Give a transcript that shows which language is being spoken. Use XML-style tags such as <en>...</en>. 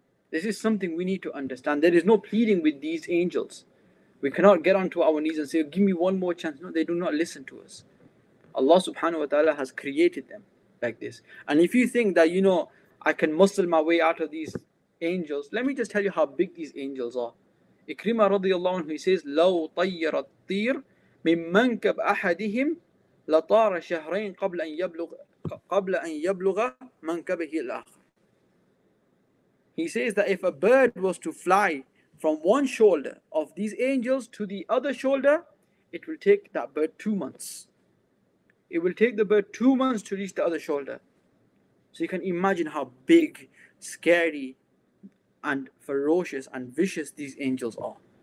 <en>This is something we need to understand. There is no pleading with these angels. We cannot get onto our knees and say, give me one more chance. No, they do not listen to us. Allah subhanahu wa ta'ala has created them like this. And if you think that, you know, I can muscle my way out of these angels, let me just tell you how big these angels are. Ikrimah radiyallahu anhu, he says,</en> <ar>لَوْ طَيَّرَ الطِّيرُ مِنْ مَنْكَبْ أَحَدِهِمْ لَطَارَ شَهْرَيْنِ قَبْلَ أَنْ يَبْلُغَ مَنْكَبِهِ الْآخِرِ.</ar> <en>He says that if a bird was to fly from one shoulder of these angels to the other shoulder, it will take that bird 2 months. It will take the bird 2 months to reach the other shoulder. So you can imagine how big, scary, and ferocious and vicious these angels are.</en>